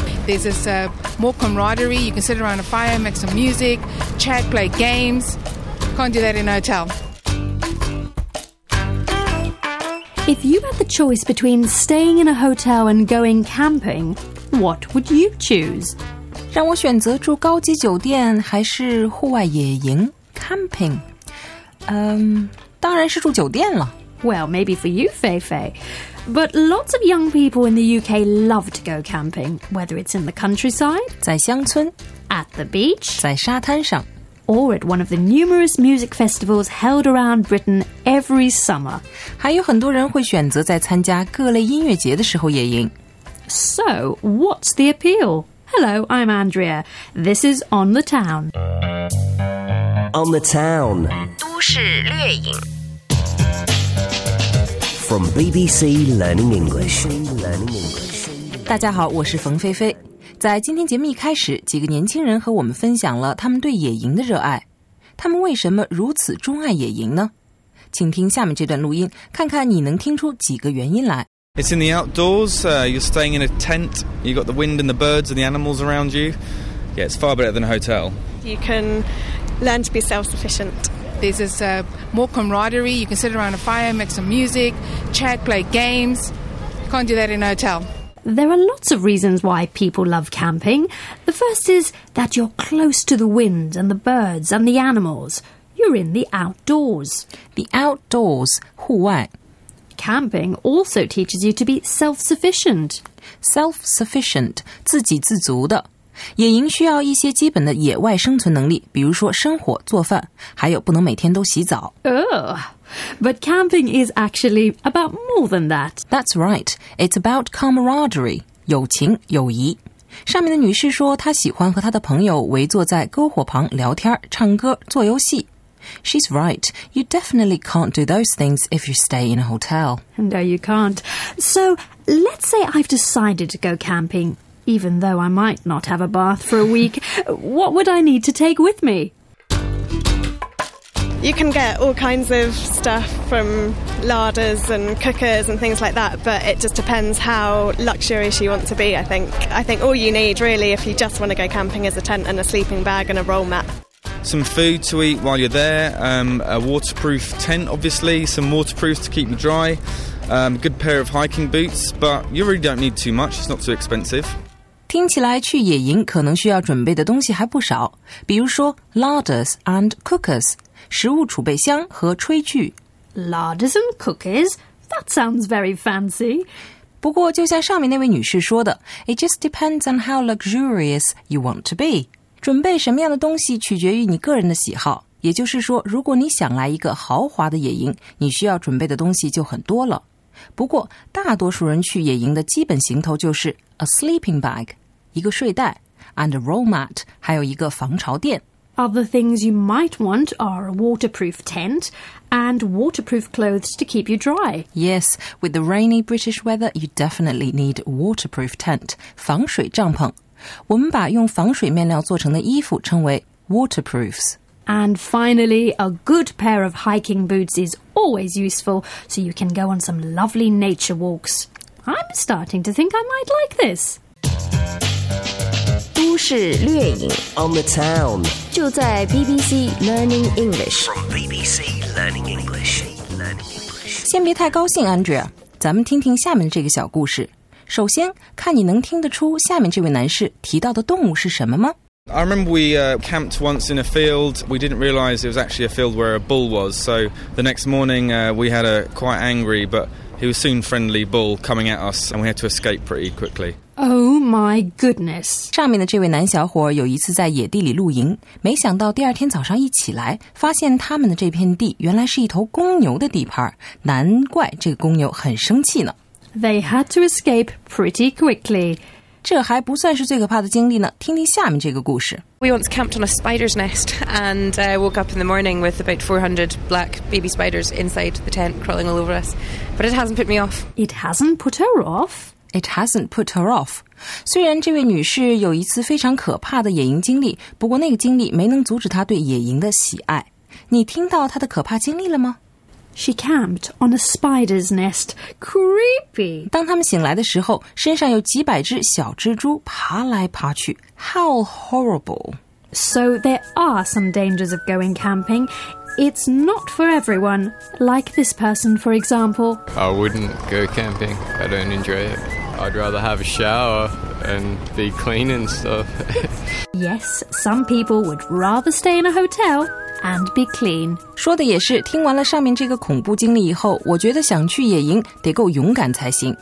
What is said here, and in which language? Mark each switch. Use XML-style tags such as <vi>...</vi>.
<en>There's this more camaraderie. You can sit around a fire, make some music, chat, play games. Can't do that in a hotel. If you had the choice between staying in a hotel and going camping, what would you choose?</en> <zh>让我选择住高级酒店还是户外野营 camping? 当然是住酒店了。</zh> <en>Well, maybe for you, Feifei. But lots of young people in the UK love to go camping, whether it's in the countryside,</en> <zh>在乡村,</zh> <en>at the beach,</en> <zh>在沙滩上,</zh> <en>or at one of the numerous music festivals held around Britain every summer.</en> <zh>还有很多人会选择在参加各类音乐节的时候野营。</zh> <en>So, what's the appeal? Hello, I'm Andrea. This is On the Town. On the Town.</en> <zh>都市略影。</zh> <en>From BBC Learning English. Learning English.</en> <zh>大家好，我是冯菲菲。在今天节目一开始，几个年轻人和我们分享了他们对野营的热爱。他们为什么如此钟爱野营呢？请听下面这段录音，看看你能听出几个原因来。</zh> <en>It's in the outdoors. You're staying in a tent. You've got the wind and the birds and the animals around you. Yeah, it's far better than a hotel. You can learn to be self-sufficient. There's this more camaraderie. You can sit around a fire, make some music, chat, play games. Can't do that in a hotel. There are lots of reasons why people love camping. The first is that you're close to the wind and the birds and the animals. You're in the outdoors. The outdoors, 户外。 Camping also teaches you to be self-sufficient.</en> <zh>Self-sufficient, 自给自足的。野营需要一些基本的野外生存能力，比如说生火、做饭，还有不能每天都洗澡。</zh> <en>Oh, but camping is actually about more than that. That's right. It's about camaraderie,</en> <zh>友情、友谊。上面的女士说她喜欢和她的朋友围坐在篝火旁聊天、唱歌、做游戏。</zh> <en>She's right. You definitely can't do those things if you stay in a hotel. No, you can't. So, let's say I've decided to go camping, even though I might not have a bath for a week. What would I need to take with me? You can get all kinds of stuff from larders and cookers and things like that, but it just depends how luxurious you want to be, I think. I think all you need, really, if you just want to go camping, is a tent and a sleeping bag and a roll mat. Some food to eat while you're there, a waterproof tent, obviously, some waterproof to keep you dry, a good pair of hiking boots, but you really don't need too much, it's not too expensive.</en> <zh>听起来去野营可能需要准备的东西还不少，比如说</zh> <en>larders and cookers,</en> <zh>食物储备箱和炊具。</zh> <en>Larders and cookers? That sounds very fancy.</en> <zh>不过就像上面那位女士说的</zh> <en>it just depends on how luxurious you want to be.</en> <zh>准备什么样的东西取决于你个人的喜好，也就是说，如果你想来一个豪华的野营，你需要准备的东西就很多了。不过，大多数人去野营的基本行头就是</zh> <en>a sleeping bag,</en> <zh>一个睡袋</zh> <en>and a roll mat,</en> <zh>还有一个防潮垫。</zh> <en>Other things you might want are a waterproof tent and waterproof clothes to keep you dry. Yes, with the rainy British weather, you definitely need a waterproof tent, 防水帐篷。</en> <zh>我们把用防水面料做成的衣服称为 waterproofs.</zh> <en>And finally, a good pair of hiking boots is always useful, so you can go on some lovely nature walks. I'm starting to think I might like this.</en> <zh>都市略影 On the Town 就在 BBC Learning English.</zh> <en>From BBC Learning English.</en> <zh>先别太高兴 Andrea, 咱们听听下面这个小故事。首先，看你能听得出下面这位男士提到的动物是什么吗？</zh> <en>I remember we camped once in a field. We didn't realize it was actually a field where a bull was. So the next morning we had a quite angry, but he was soon friendly bull coming at us and we had to escape pretty quickly. Oh my goodness.</en> <zh>上面的这位男小伙有一次在野地里露营，没想到第二天早上一起来，发现他们的这片地原来是一头公牛的地盘，难怪这个公牛很生气呢。</zh> <en>They had to escape pretty quickly.</en> <zh>这还不算是最可怕的经历呢，听听下面这个故事。</zh> <en>We once camped on a spider's nest and woke up in the morning with about 400 black baby spiders inside the tent crawling all over us. But it hasn't put me off. It hasn't put her off? It hasn't put her off.</en> <zh>虽然这位女士有一次非常可怕的野营经历，不过那个经历没能阻止她对野营的喜爱。你听到她的可怕经历了吗？</zh> <en>She camped on a spider's nest. Creepy!</en> <zh>当他们醒来的时候，身上有几百只小蜘蛛爬来爬去。</zh> <en>How horrible! So there are some dangers of going camping. It's not for everyone. Like this person, for example. I wouldn't go camping. I don't enjoy it. I'd rather have a shower and be clean and stuff. Yes, some people would rather stay in a hotel. And be clean.</en> <zh>说的也是，听完了上面这个恐怖经历以后，我觉得想去野营得够勇敢才行。</zh>